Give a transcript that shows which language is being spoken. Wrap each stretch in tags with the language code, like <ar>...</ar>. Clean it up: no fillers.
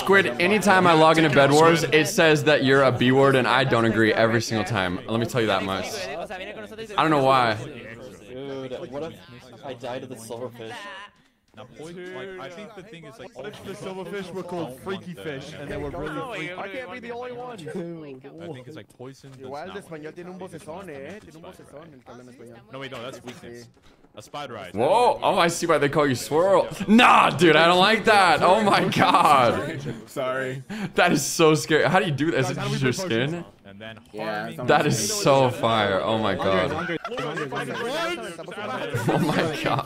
<en>Squid, anytime I log into Bedwars, it says that you're a B-word and I don't agree every single time. Let me tell you that much. I don't know why. Dude, what if I die to the silverfish? I think the thing is, like, what if the silverfish were called freaky fish and they were really freaky? I can't be the only one. I think it's like poison.</en> <es>Igual el español tiene un vocesón, Tiene un vocesón el tal en español.</es> <en>No, wait, no, that's weakness. A spider eyes. Whoa! Oh, I see why they call you Swirl. Nah, dude, I don't like that. Oh my god. Sorry. That is so scary. How do you do that? Is it just your skin? Yeah. That is so fire. Oh my god. Oh my god.</en>